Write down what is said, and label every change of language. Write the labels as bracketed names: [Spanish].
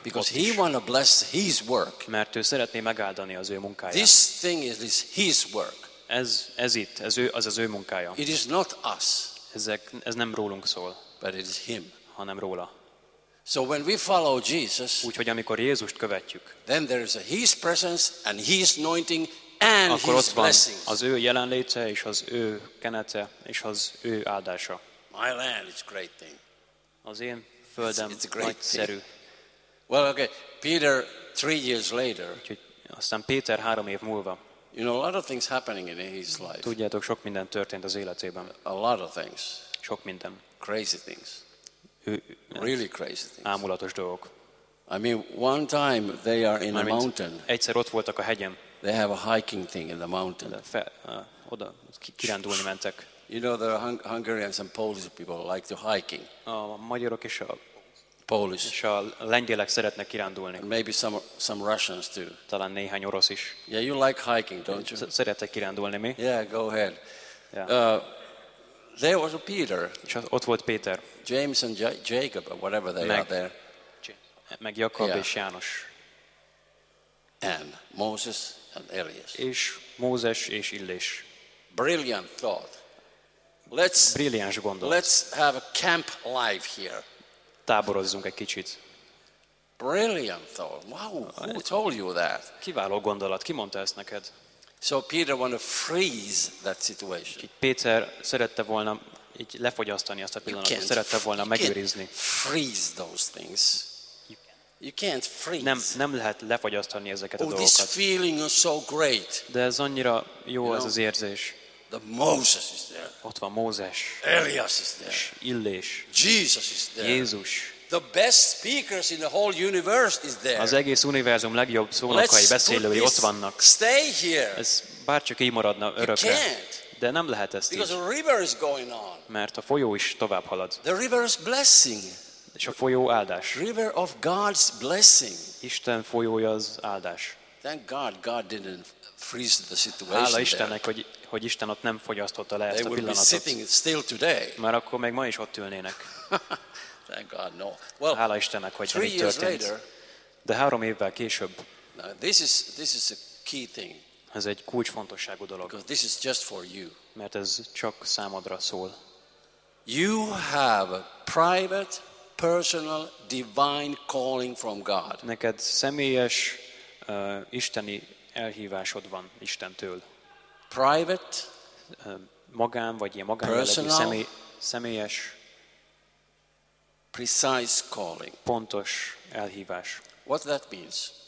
[English] Because he want to bless his work. [Hungarian] Mert ő szeretné megáldani az ő munkáját. [English] This thing is his work. [Hungarian] Ez az ő munkája. [English] It is not us. [Hungarian] Ez nem rólunk szól. [English] But it is him. [Hungarian] Hanem róla. [English] So when we follow Jesus, [Hungarian] úgyhogy amikor Jézust követjük, [English] then there is a His presence and His anointing and His blessings. [Hungarian] Az ő jelenléte és az ő kenete és az ő áldása. [English] My land is great thing. [Hungarian] Az én földem nagyszerű. [English] Well, okay, Peter 3 years later. [Hungarian] Úgyhogy aztán Péter 3 év múlva. [English] You know, a lot of things happening in his life. [Hungarian] Tudjátok, sok minden történt az életében. [English] A lot of things. [Hungarian] Sok minden. [English] Crazy things. Really crazy things. [Hungarian] Ámulatos dolgok. [English] I mean, one time they are in a mountain. [Hungarian] Egyszer ott voltak a hegyen. [English] They have a hiking thing in the mountain. [Hungarian] Oda kirándulni mentek. [English] You know, the Hungarians and Polish people like to hiking. [Hungarian] A magyarok és a [English] Polish. [Hungarian] És a lengyelek szeretnek kirándulni. [English] Maybe some Russians too. [Hungarian] Talán néhány orosz is. [English] Yeah, you like hiking, don't you? [Hungarian] Szeretek kirándulni, mi? [English] Yeah, go ahead. Yeah. There was a Peter. [Hungarian] És ott volt Péter. [English] James and Jacob, or whatever they are there. [Hungarian] Meg Jakab és János. [English] And Moses and Elias. [Hungarian] És Mózes és Illés. [English] Brilliant thought. Let's have a camp live here. [Hungarian] Táborozzunk egy kicsit. [English] Brilliant thought. Wow, who told you that? [Hungarian] Kiváló gondolat. Ki mondta ezt neked? [English] So Peter wanted to freeze that situation. [Hungarian] Péter szerette volna így lefogyasztani azt a pillanatot, szerette volna megőrizni. [English] Freeze those things. You can't freeze. [Hungarian] Nem lehet lefogyasztani ezeket a dolgokat. [English] This feeling is so great. [Hungarian] De ez annyira jó, ez az érzés. [English] The Moses is there. [Hungarian] Ott van Mózes. [English] Elias is there. [Hungarian] Illés. [English] Jesus is there. [Hungarian] Jézus. [English] The best speakers in the whole universe is there. [Hungarian] Az egész univerzum legjobb szónokai, beszélői ott vannak. [English] Stay here. [Hungarian] Ez bárcsak így maradna örökre. De nem lehet ezt [English] így. Because the river is going on. [Hungarian] Mert a folyó is tovább halad. [English] The river is blessing. [Hungarian] És a folyó áldás. [English] River of God's blessing. [Hungarian] Isten folyója az áldás. [English] Thank God, God didn't freeze the situation. [Hungarian] Hála Istennek, hogy Isten ott nem fogyasztotta le ezt a pillanatot. [English] They would be sitting still today. [Hungarian] Mert akkor még ma is ott ülnének. [English] Thank God, no. [Hungarian] Well, hála Istennek, hogy [English] three years later. [Hungarian] De 3 évvel később. [English] Now, this is a key thing. [Hungarian] Ez egy kulcsfontosságú dolog. [English] Because this is just for you. [Hungarian] Mert ez csak számodra szól. [English] You have a private, personal, divine calling from God. [Hungarian] Neked személyes isteni elhívásod van Istentől. [English] Private, [Hungarian] magán vagy ilyen magánéleti személyes [English] precise calling. [Hungarian] Pontos elhívás. [English] What that means?